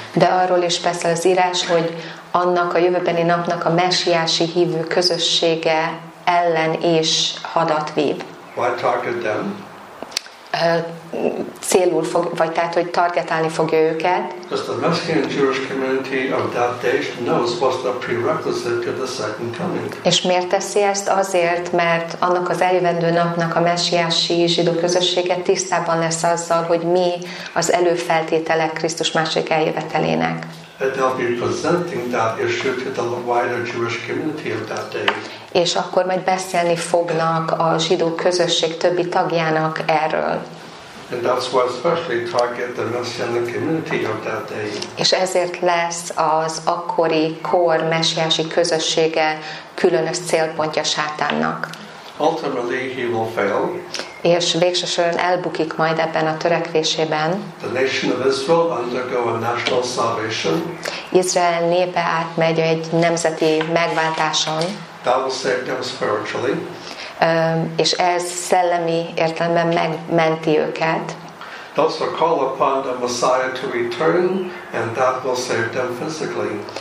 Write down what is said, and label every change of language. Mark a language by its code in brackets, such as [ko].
[hu] De arról is beszél az írás, hogy annak a jövőbeni napnak a messiási hívő közössége ellen is hadat vív. [en] Why target them? [hu] Célul fog, vagy tehát, hogy targetálni fogja őket. [en] Because the messianic Jewish community of that day knows what's the prerequisite to the second coming. [hu] És miért teszi ezt? Azért, mert annak az eljövendő napnak a messiási zsidó közössége tisztában lesz azzal, hogy mi az előfeltétele Krisztus második eljövetelének. [en] That they'll be presenting that issue to the wider Jewish community of that day. [hu] És akkor majd beszélni fognak a zsidó közösség többi tagjának erről. [en] And that's why especially target the messianic community of that day. [hu] És ezért lesz az akkori kor messiási közössége különös célpontja Sátánnak. [en] Ultimately he will fail. [hu] És végső soron elbukik majd ebben a törekvésében. [en] The nation of Israel undergo a national salvation. [hu] Izrael népe átmegy egy nemzeti megváltáson. [en] That will save them spiritually. [hu] És ez szellemi értelemben megmenti őket. [en] Those who call upon the Messiah to return, and that will save them physically.